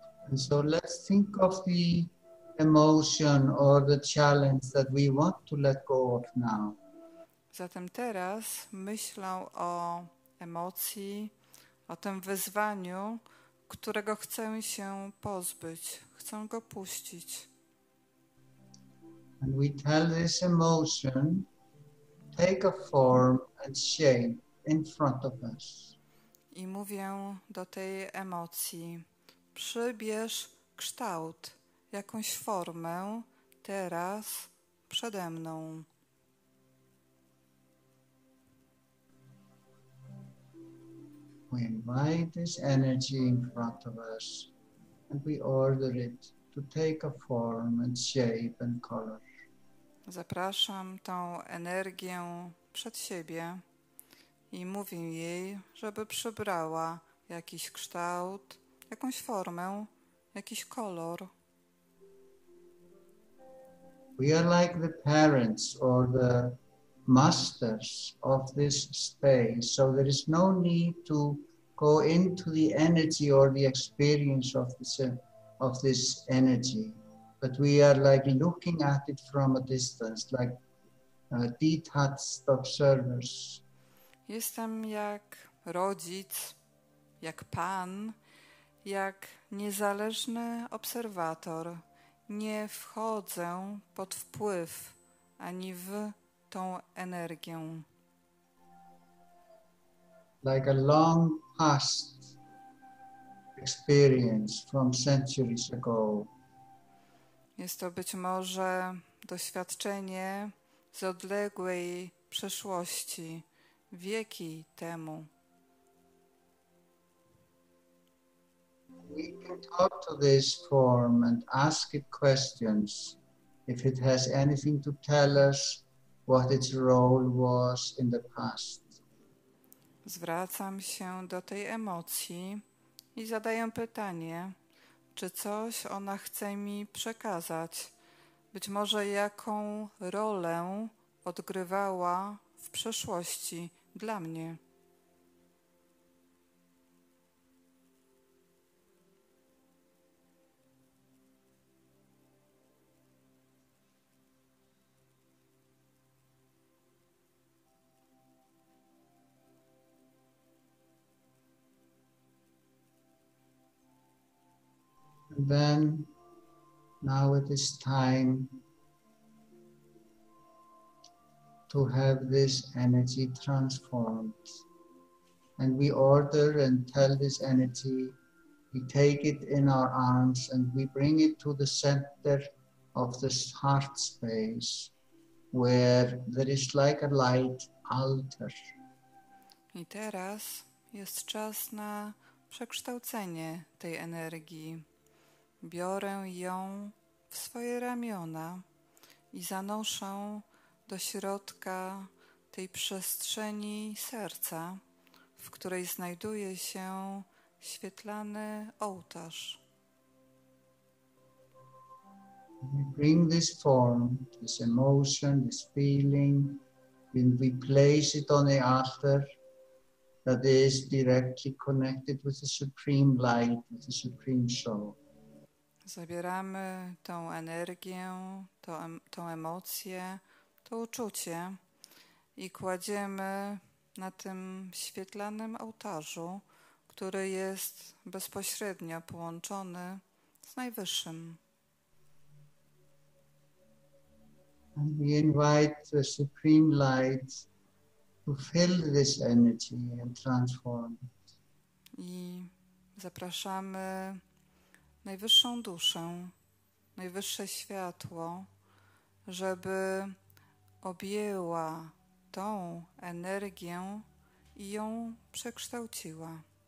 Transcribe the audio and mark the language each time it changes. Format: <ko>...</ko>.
<en>And so let's think of the emotion or the challenge that we want to let go of now.</en> <pl>Zatem teraz myślę o emocji, o tym wyzwaniu, którego chcę się pozbyć, chcę go puścić.</pl> <en>And we tell this emotion, take a form and shape in front of us.</en> <pl>I mówię do tej emocji, przybierz kształt, jakąś formę teraz przede mną.</pl> <en>We invite this energy in front of us and we order it to take a form and shape and color.</en> <pl>Zapraszam tą energię przed siebie i mówię jej, żeby przybrała jakiś kształt, jakąś formę, jakiś kolor.</pl> <en>We are like the parents or the masters of this space, so there is no need to go into the energy or the experience of this energy, but we are like looking at it from a distance, like detached observers.</en> <pl>Jestem jak rodzic, jak pan, jak niezależny obserwator. Nie wchodzę pod wpływ ani w tą energię.</pl> <en>Like a long past experience from centuries ago.</en> <pl>Jest to być może doświadczenie z odległej przeszłości, wieki temu.</pl> <en>We can talk to this form and ask it questions if it has anything to tell us what its role was in the past.</en> <pl>Zwracam się do tej emocji i zadaję pytanie, czy coś ona chce mi przekazać. Być może jaką rolę odgrywała w przeszłości dla mnie.</pl> <en>then now it is time to have this energy transformed. And we order and tell this energy, we take it in our arms and we bring it to the center of this heart space, where there is like a light altar.</en> <pl>I teraz jest czas na przekształcenie tej energii. Biorę ją w swoje ramiona i zanoszę do środka tej przestrzeni serca, w której znajduje się świetlany ołtarz.</pl> <en>We bring this form, this emotion, this feeling, and we place it on the altar that is directly connected with the supreme light, with the supreme soul.</en> <pl>Zabieramy tą energię, tą emocję, to uczucie i kładziemy na tym świetlanym ołtarzu, który jest bezpośrednio połączony z Najwyższym.</pl> <en>And we invite the Supreme Light to fill this energy and transform it.</en> <pl>I zapraszamy Najwyższą Duszę, Najwyższe Światło, żeby objęła tą energię i ją przekształciła.</pl>